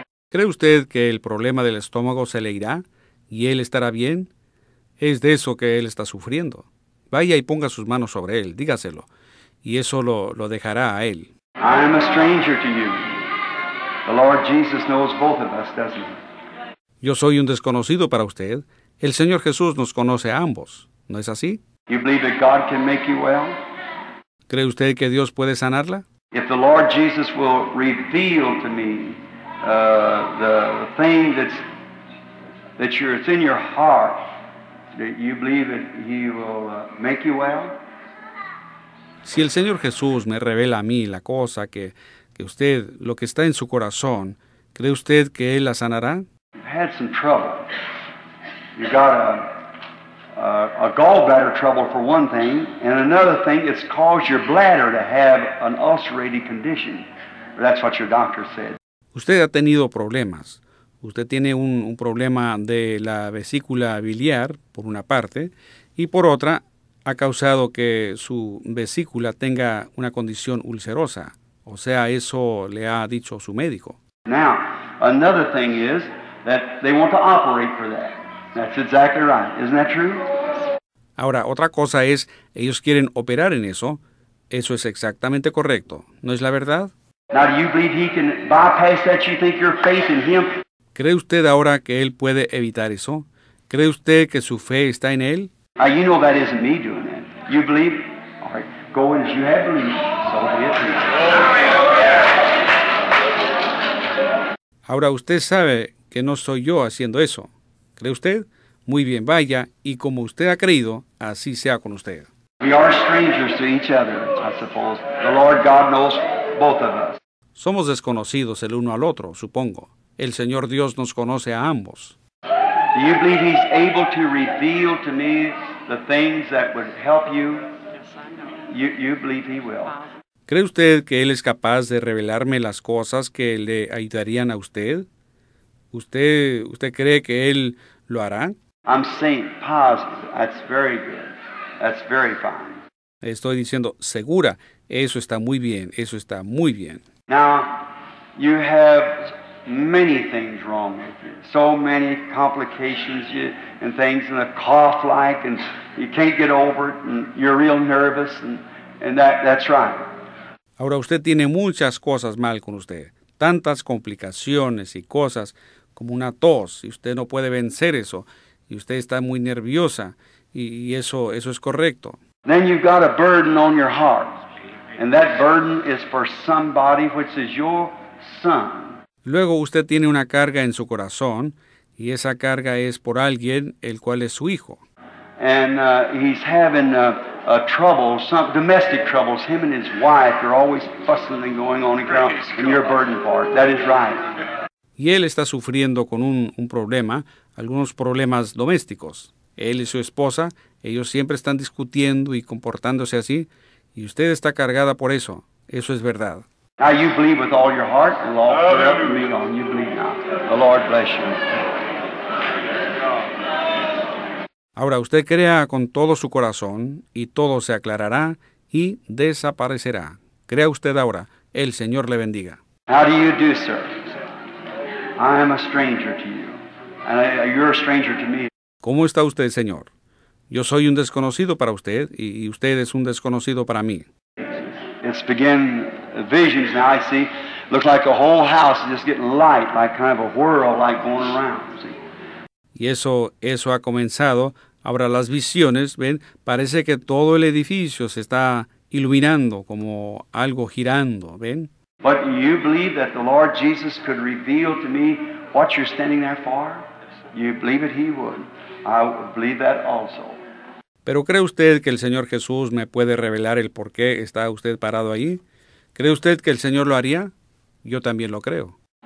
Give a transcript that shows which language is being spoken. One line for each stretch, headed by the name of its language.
Spanish: ¿Cree usted que el problema del estómago se le irá y él estará bien? Es de eso que él está sufriendo. Vaya y ponga sus manos sobre él, dígaselo, y eso lo dejará a él.
English: I am a stranger to you. The Lord Jesus knows both of us, doesn't he?
Spanish: Yo soy un desconocido para usted. El Señor Jesús nos conoce a ambos, ¿no es así?
English: You believe that God can make you well?
Spanish: ¿Cree usted que Dios puede sanarla?
English: If the Lord Jesus will reveal to me the thing that's in your heart, that you believe that he will make you well?
Spanish: Si el Señor Jesús me revela a mí la cosa que usted, lo que está en su corazón, ¿cree usted que él la sanará?
English: You've had some trouble. You've got a gallbladder trouble for one thing, and another thing, it's caused your bladder to have an ulcerated condition. That's what your doctor said.
Spanish: Usted ha tenido problemas. Usted tiene un problema de la vesícula biliar, por una parte, y por otra, ha causado que su vesícula tenga una condición ulcerosa. O sea, eso le ha dicho su médico.
English: Now, another thing is that they want to operate for that. That's exactly right. Isn't that true?
Spanish: Ahora, otra cosa es, ellos quieren operar en eso. Eso es exactamente correcto. ¿No es la verdad?
English: Now, do you believe he can bypass that? You think your faith in him?
Spanish: ¿Cree usted ahora que él puede evitar eso? ¿Cree usted que su fe está en él?
English: You know that isn't me doing that. You believe? All right, go in as you have believed. So be it.
Spanish: Ahora usted sabe que no soy yo haciendo eso. ¿Cree usted? Muy bien, vaya, y como usted ha creído, así sea con usted.
English: We are strangers to each other, I suppose. The Lord God knows both of us.
Spanish: Somos desconocidos el uno al otro, supongo. El Señor Dios nos conoce a ambos.
English: Do you believe he's able to reveal to me the things that would help you? Yes, I know. You believe he will.
Spanish: ¿Cree usted que él es capaz de revelarme las cosas que le ayudarían a usted? ¿Usted cree que él lo hará?
English: I'm saying positive. That's very good. That's very fine.
Spanish: Estoy diciendo segura. Eso está muy bien. Eso está muy bien.
English: Now, you have many things wrong with you. So many complications and things, and a cough like, and you can't get over it, and you're real nervous, and that's right.
Spanish: Ahora usted tiene muchas cosas mal con usted. Tantas complicaciones y cosas como una tos, y usted no puede vencer eso, y usted está muy nerviosa, y eso es correcto.
English: Then you've got a burden on your heart, and that burden is for somebody which is your son.
Spanish: Luego usted tiene una carga en su corazón, y esa carga es por alguien, el cual es su hijo.
English: And he's having a trouble, some domestic troubles. Him and his wife are always fussing and going on and going on, and you're a burden for it. That is right.
Spanish: Y él está sufriendo con un problema, algunos problemas domésticos. Él y su esposa, ellos siempre están discutiendo y comportándose así, y usted está cargada por eso. Eso es verdad.
English: Now you believe with all your heart, and all put up and meet on. You believe now. The Lord bless you.
Spanish: Ahora usted crea con todo su corazón y todo se aclarará y desaparecerá. Crea usted ahora. El Señor le bendiga.
English: How do you do, sir? I am a stranger to you. And you're a stranger to me.
Spanish: ¿Cómo está usted, Señor? Yo soy un desconocido para usted y usted es un desconocido para mí.
English: It's begin visions now, I see. Looks like a whole house is just getting light, like kind of a whirl, like going around, see.
Spanish: Y eso ha comenzado. Ahora las visiones, ven, parece que todo el edificio se está iluminando como algo girando, ven.
English: But you believe that the Lord Jesus could reveal to me what you're standing there for? You believe it, he would. I believe that also.
Spanish: ¿Pero cree usted que el Señor Jesús me puede revelar el por qué está usted parado ahí? ¿Cree usted que el Señor lo haría? Yo también lo creo.